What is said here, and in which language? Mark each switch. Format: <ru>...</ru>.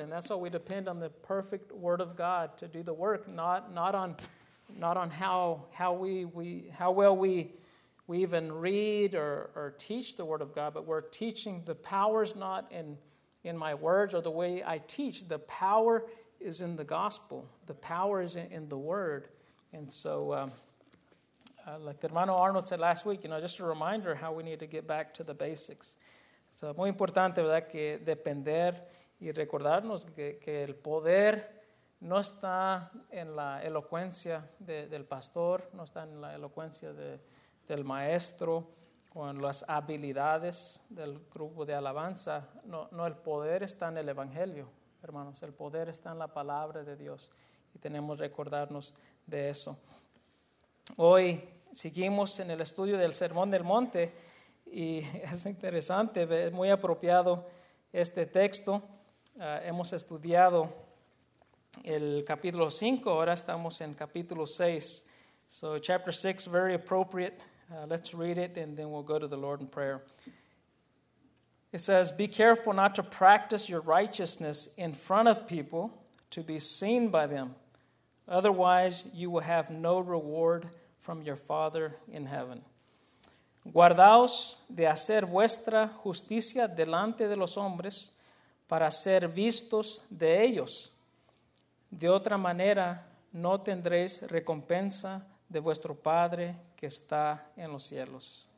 <en>And that's why we depend on the perfect Word of God to do the work, not on how well we even read or teach the Word of God, but we're teaching the power's not in my words or the way I teach. The power is in the gospel. The power is in the Word. And so, like the hermano Arnold said last week, you know, just a reminder how we need to get back to the basics.</en> <es>So, muy importante, ¿verdad?, que depender y recordarnos que el poder no está en la elocuencia del pastor, no está en la elocuencia del maestro, o en las habilidades del grupo de alabanza. No, el poder está en el Evangelio, hermanos. El poder está en la palabra de Dios. Y tenemos que recordarnos de eso. Hoy seguimos en el estudio del Sermón del Monte. Y es interesante, es muy apropiado este texto. Hemos estudiado el capítulo 5, ahora estamos en capítulo 6.</es> <en>So chapter 6, very appropriate. Let's read it and then we'll go to the Lord in prayer. It says, "Be careful not to practice your righteousness in front of people to be seen by them. Otherwise, you will have no reward from your Father in heaven.</en> <es>Guardaos de hacer vuestra justicia delante de los hombres para ser vistos de ellos. De otra manera, no tendréis recompensa de vuestro Padre que está en los cielos."</es>